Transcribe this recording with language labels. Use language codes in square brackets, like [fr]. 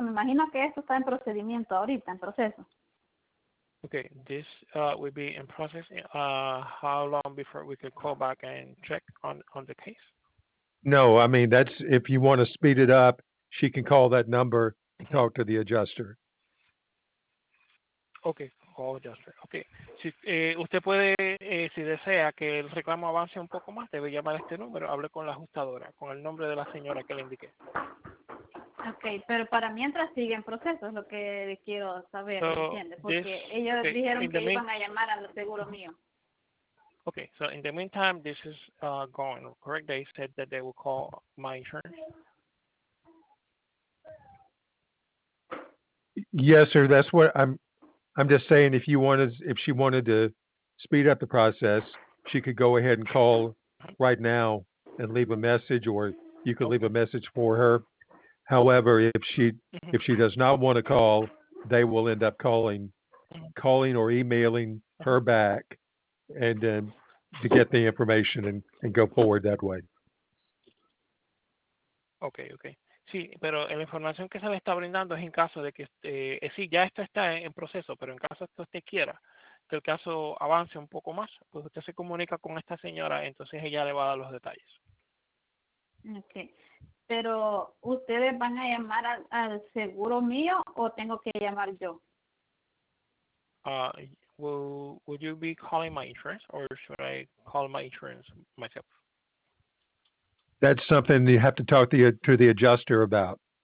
[es] Me imagino que esto está en procedimiento ahorita, en proceso. [en] Ok, this will be in process. How long before we could call back and check on the case? No, I mean, that's if you want to speed it up, she can call that number and talk to the adjuster. Ok. Okay. [es] Si usted puede, si desea que el reclamo avance un poco más, debe llamar a este número. Hable con la ajustadora, con el nombre de la señora que le indiqué. Okay, pero para mientras sigue en proceso, es lo que quiero saber, [en] so, [es] ¿entiendes? Porque ellos dijeron que iban a llamar al seguro mío. [en] Okay, so in the meantime, this is going, correct? They said that they will call my insurance. Yes, sir, that's what I'm just saying, if she wanted to speed up the process, she could go ahead and call right now and leave a message, or you could leave a message for her. However, if she does not want to call, they will end up calling or emailing her back, and then to get the information and go forward that way. Okay. [es] Sí, pero la información que se le está brindando es en caso de que, sí, ya esto está en proceso, pero en caso de que usted quiera que el caso avance un poco más, pues usted se comunica con esta señora, entonces ella le va a dar los detalles. [en] Okay. [es] Pero, ¿ustedes van a llamar al seguro mío o tengo que llamar yo? [en] Would you be calling my insurance, or should I call my insurance myself? That's something you have to talk to the adjuster about.